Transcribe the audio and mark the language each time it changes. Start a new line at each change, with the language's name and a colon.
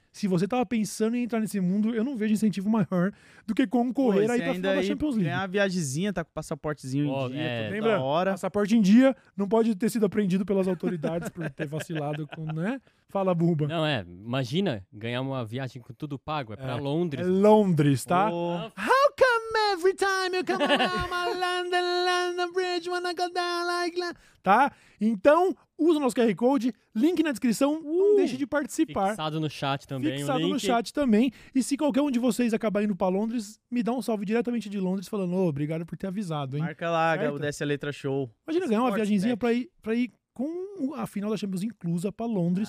Portuguese: Se você tava pensando em entrar nesse mundo, eu não vejo incentivo maior do que concorrer aí pra final da Champions League. Tem a viagemzinha, tá com o passaportezinho em dia. Lembra? Passaporte em dia, não pode ter sido apreendido pelas autoridades por ter vacilado com, né? Fala, Buba. Não, imagina ganhar uma viagem com tudo pago, é pra Londres. É Londres, tá? Oh.
English: How come every time you come around my London, London Bridge, when I go down like that?
Portuguese: Tá? Então, usa o nosso QR Code, link na descrição, não deixe de participar. Fixado no chat também. Fixado no chat também. E se qualquer um de vocês acabar indo pra Londres, me dá um salve diretamente de Londres falando, obrigado por ter avisado, hein? Marca lá, Gabo, desce a letra show. Imagina ganhar uma viagenzinha pra ir com a final da Champions inclusa pra Londres.